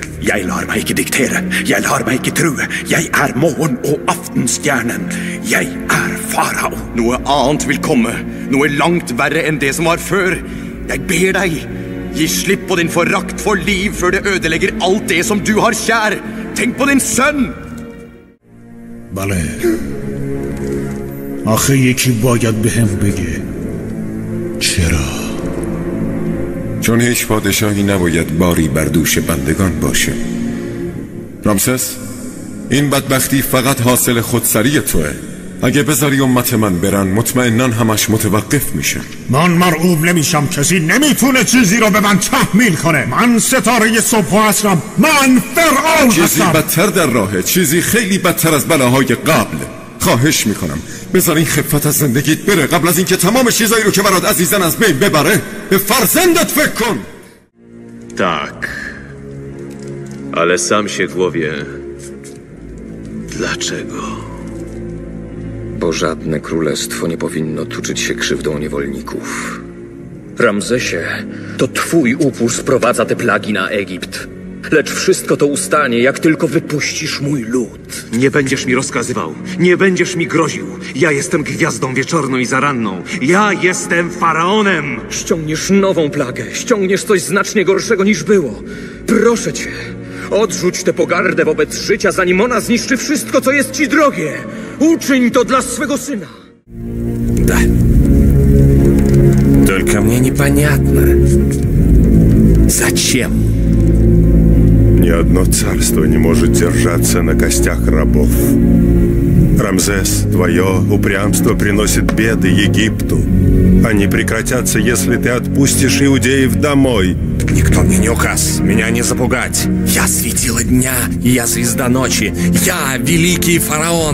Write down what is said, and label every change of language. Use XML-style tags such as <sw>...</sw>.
<no>Jeg lar meg ikke diktere. Jeg lar meg ikke true. Jeg er morgen og aftenstjernen. Jeg er farao. Noe annet vil komme. Noe langt verre enn det som var før. Jeg ber deg. Gi slipp på din forakt for liv før det ødelegger alt det som du har kjær. Tenk på din sønn! Bale...</no> <fa>آخه یکی باید به هم بگه چرا؟ چون هیچ پادشاهی نباید باری بر دوش بندگان باشه. رامسس، این بدبختی فقط حاصل خودسری توه. اگه بذاریم مت من برن مطمئنن همش متوقف میشه. من مرعوب نمیشم، کسی نمیتونه چیزی رو به من تحمیل کنه. من ستاره صبح و عصرم، من فرعون هستم. چیزی بدتر در راهه، چیزی خیلی بدتر از بلاهای قبل. خواهش میکنم بذار این خفت از زندگیت بره قبل از اینکه تمام چیزایی رو که برات عزیزن از بین ببره. به فرزندت فکر کن. تاک але сам ще głowie dlaczego.</fa> <pl>Bo żadne królestwo nie powinno tuczyć się krzywdą niewolników. Ramzesie, to twój upór sprowadza te plagi na Egipt. Lecz wszystko to ustanie, jak tylko wypuścisz mój lud. Nie będziesz mi rozkazywał, nie będziesz mi groził. Ja jestem gwiazdą wieczorną i zaranną. Ja jestem faraonem! Ściągniesz nową plagę, ściągniesz coś znacznie gorszego niż było. Proszę cię, odrzuć tę pogardę wobec życia, zanim ona zniszczy wszystko, co jest ci drogie. Uczyń to dla swego syna.</pl> <ru>Da. Tylko mnie nieponiatne. Зачем? Ни одно царство не может держаться на костях рабов. Рамзес, твое упрямство приносит беды Египту. Они прекратятся, если ты отпустишь иудеев домой. Никто мне не указ, меня не запугать. Я светило дня, я звезда ночи, я великий фараон.</ru>